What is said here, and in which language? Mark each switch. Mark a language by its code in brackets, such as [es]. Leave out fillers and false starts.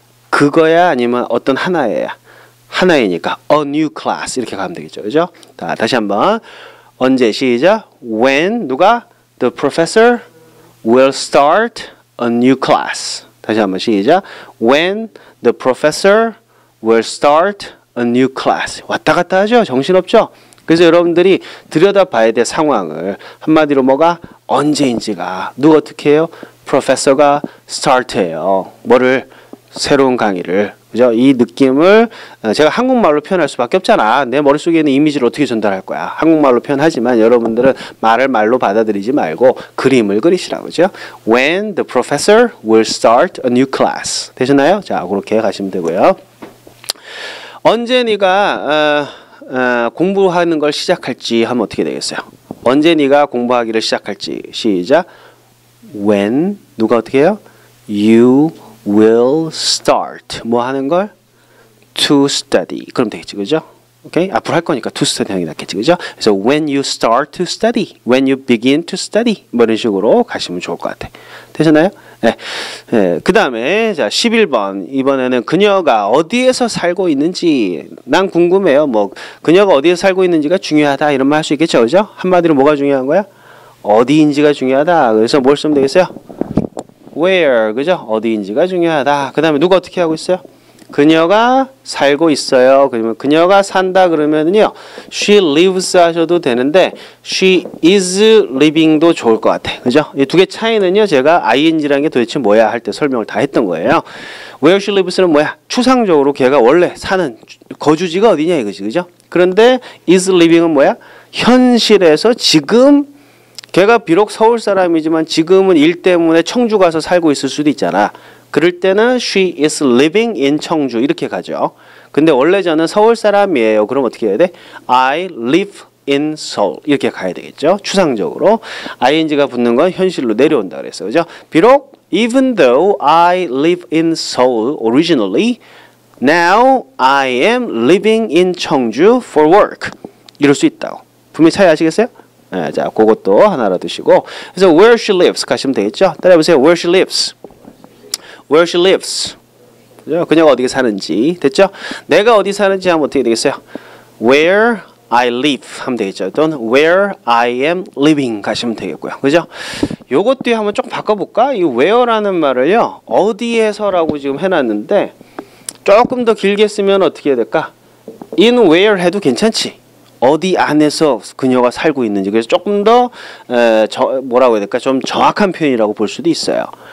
[ko] 그거야 아니면 어떤 하나예요? 하나이니까 [en] a new class [ko] 이렇게 가면 되겠죠. 그죠? 자, 다시 한번. 언제 시작? [en] When [ko] 누가? [en] The professor will start a new class. [ko] 다시 한번 시작. [en] When the professor will start a new class. [ko] 왔다 갔다 하죠? 정신없죠? 그래서 여러분들이 들여다봐야 될 상황을 한마디로 뭐가 언제인지가 누가 어떻게 해요? 프로페서가 스타트해요. 뭐를? 새로운 강의를. 그죠? 이 느낌을 제가 한국말로 표현할 수밖에 없잖아. 내 머릿속에 있는 이미지를 어떻게 전달할 거야? 한국말로 표현하지만 여러분들은 말을 말로 받아들이지 말고 그림을 그리시라고. 그죠? [en] When the professor will start a new class. [ko] 되셨나요? 자, 그렇게 가시면 되고요. 언제 네가 공부하는 걸 시작할지 하면 어떻게 되겠어요? 언제 네가 공부하기를 시작할지. 시작. [en] When [ko] 누가 어떻게 해요? [en] You will start [ko] 뭐 하는 걸? [en] To study. [ko] 그럼 되겠지, 그죠? 오케이? 앞으로 할 거니까 [en] to study [ko] 하는 게 낫겠지, 그죠? [en] So when you start to study, when you begin to study [ko] 뭐 이런 식으로 가시면 좋을 것 같아. 되셨나요? 네. 네. 그 다음에 자 11번 이번에는 그녀가 어디에서 살고 있는지 난 궁금해요. 뭐 그녀가 어디에서 살고 있는지가 중요하다 이런 말 할 수 있겠죠, 그죠? 한마디로 뭐가 중요한 거야? 어디인지가 중요하다. 그래서 뭘 쓰면 되겠어요? Where, 그죠? 어디인지가 중요하다. 그 다음에 누가 어떻게 하고 있어요? 그녀가 살고 있어요. 그러면 그녀가 산다 그러면은요, [en] she lives [ko] 하셔도 되는데 [en] she is living [ko] 도 좋을 것 같아. 그죠? 이 두 개 차이는요, 제가 ing라는 게 도대체 뭐야 할 때 설명을 다 했던 거예요. [en] Where she lives [ko] 는 뭐야? 추상적으로 걔가 원래 사는 거주지가 어디냐 이거지, 그죠? 그런데 is living은 뭐야? 현실에서 지금 걔가 비록 서울 사람이지만 지금은 일 때문에 청주 가서 살고 있을 수도 있잖아. [en] 그럴 때는 she is living in 청주 [ko] 이렇게 가죠. 근데 원래 저는 서울 사람이에요. 그럼 어떻게 해야 돼? [en] I live in Seoul [ko] 이렇게 가야 되겠죠. 추상적으로 ing가 붙는 건 현실로 내려온다 그랬어요. 그죠? 비록 [en] even though I live in Seoul originally, now I am living in 청주 for work. [ko] 이럴 수 있다고. 분명히 차이 아시겠어요? 네, 자, 그것도 하나로 드시고. 그래서 [en] where she lives [ko] 가시면 되겠죠. 따라해보세요. [en] Where she lives. Where she lives. [ko] 그죠? 그녀가 어디 사는지. 됐죠? 내가 어디 사는지 하면 어떻게 되겠어요? [en] Where I live [ko] 하면 되겠죠. 또는 [en] where I am living [ko] 가시면 되겠고요. 그죠? 요것도 한번 조금 바꿔볼까? 이 where라는 말을요. 어디에서라고 지금 해놨는데 조금 더 길게 쓰면 어떻게 해야 될까? [en] In where [ko] 해도 괜찮지? 어디 안에서 그녀가 살고 있는지. 그래서 조금 더 뭐라고 해야 될까? 좀 정확한 표현이라고 볼 수도 있어요.